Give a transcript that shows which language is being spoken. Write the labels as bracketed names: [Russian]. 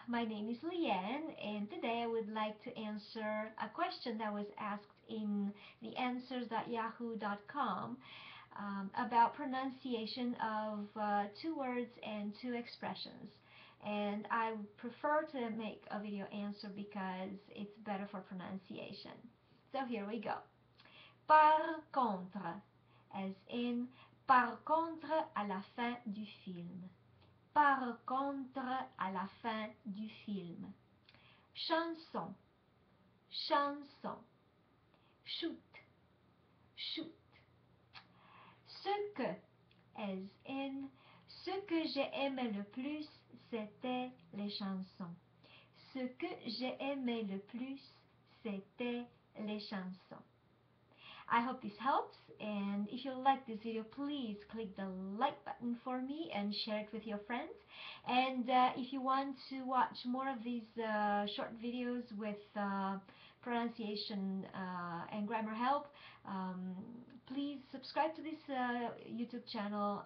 [English] My name is Llyane, and today I would like to answer a question that was asked in the answers.yahoo.com about pronunciation of two words and two expressions. And I prefer to make a video answer because it's better for pronunciation. So here we go. [French] Par contre, [English] as in [French] par contre à la fin du film. Par contre à la fin du film. Chanson. Chanson. Choutte. Choutte. Ce que, [English] as in, [French] ce que j'ai aimé le plus, c'était les chansons. Ce que j'ai aimé le plus, c'était les chansons. [English] I hope this helps, and if you like this video, please click the like button for me and share it with your friends. And if you want to watch more of these short videos with pronunciation and grammar help, please subscribe to this YouTube channel.